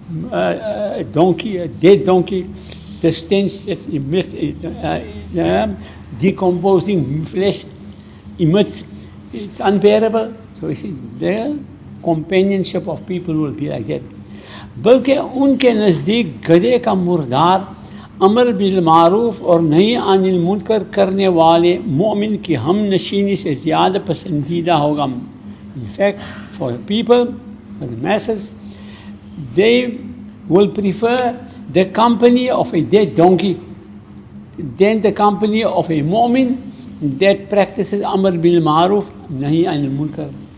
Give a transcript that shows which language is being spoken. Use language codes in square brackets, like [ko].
[en] A dead donkey, the stench that emits, decomposing flesh emits, it's unbearable. So you see, the companionship of people will be like that. [ur] بلکہ ان کے نزدیک گدھے کا مردار امر بالمعروف اور نہی عن المنکر کرنے والے مومن کی ہم نشینی سے زیادہ پسندیدہ ہوگا. [en] In fact, for the people, for the masses, they will prefer the company of a dead donkey than the company of a mu'min that practices amr bil ma'ruf nahi anil munkar.